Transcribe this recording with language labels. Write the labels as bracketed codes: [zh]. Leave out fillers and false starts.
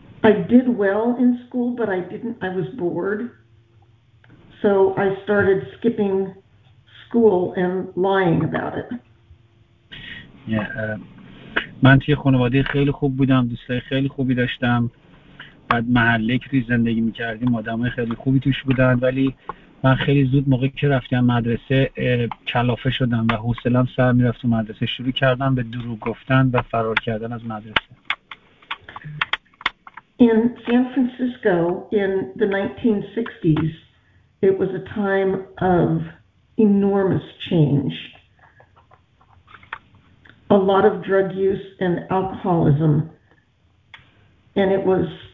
[en] I did well in school, but I was bored. So I started skipping school and lying about it. [fa] Yeah, من توی خانواده خیلی خوب بودم، دوستای خیلی خوبی داشتم. بعد محله که زندگی می‌کردیم آدمای خیلی خوبی توش بودن، ولی من خیلی زود موقعی که رفتم مدرسه کلافه شدم و حوصله‌ام سر می‌رفت. مدرسه شروع کردم به دروغ گفتن و فرار کردن از مدرسه. [en] In San Francisco in the 1960s, it was a time of enormous change. A lot of drug use and alcoholism, and it was